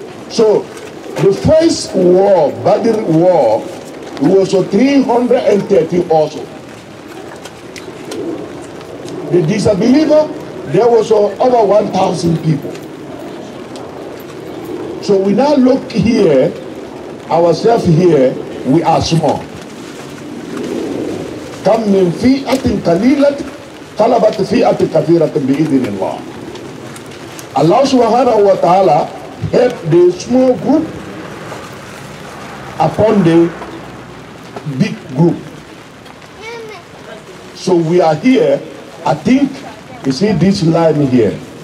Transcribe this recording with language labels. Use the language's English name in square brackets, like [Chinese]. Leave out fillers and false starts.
[English] So the first war, Badr war, was 330 also. The disbeliever, there was over 1,000 people. So we now look here, ourselves here, we are small. [Arabic] كم من فئة قليلة طلبت فئة كثيرة بإذن الله. [English] الله سبحانه وتعالى help the small group upon the big group. So we are here, I think, you see this line here.